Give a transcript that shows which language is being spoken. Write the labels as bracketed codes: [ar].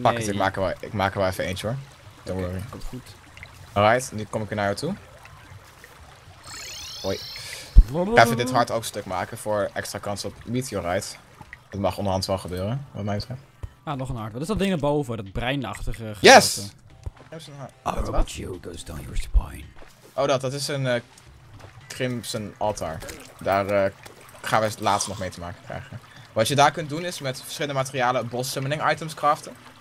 [nl] Pak het, ik maak er wel even eentje hoor. [en] Don't worry. [nl] Komt goed. Alright, nu kom ik weer naar jou toe. Hoi. Even dit hart ook stuk maken voor extra kans op meteorite. Dat mag onderhand wel gebeuren, wat mij betreft. Ah, nog een hart. Wat is dat ding erboven? Dat breinachtige gedeelte. [en] Yes! Oh, what you goes down your spine. [nl] Oh, dat is een Crimson Altar. Daar gaan we het laatst nog mee te maken krijgen. Wat je daar kunt doen is met verschillende materialen boss summoning items craften.